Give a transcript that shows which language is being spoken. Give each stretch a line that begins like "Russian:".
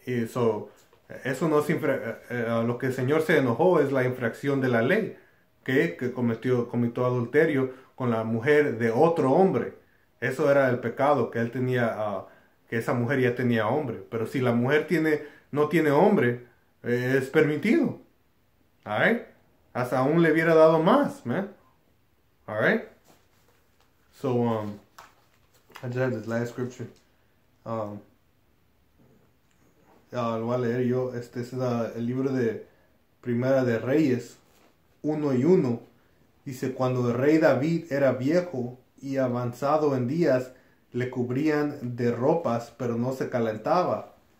Spanish: So, eso no es lo que el Señor se enojó es la infracción de la ley, que cometió adulterio con la mujer de otro hombre. Eso era el pecado que él tenía, que esa mujer ya tenía hombre. Pero si la mujer no tiene hombre, es permitido.
English: All right?
Spanish: Hasta aún le hubiera dado más, man.
English: All right? So, I just have this last scripture.
Spanish: Lo voy a leer yo. Este es el libro de Primera de Reyes 1 y 1. Dice, cuando el rey David era viejo y avanzado en días, le cubrían de ropas, pero no se calentaba.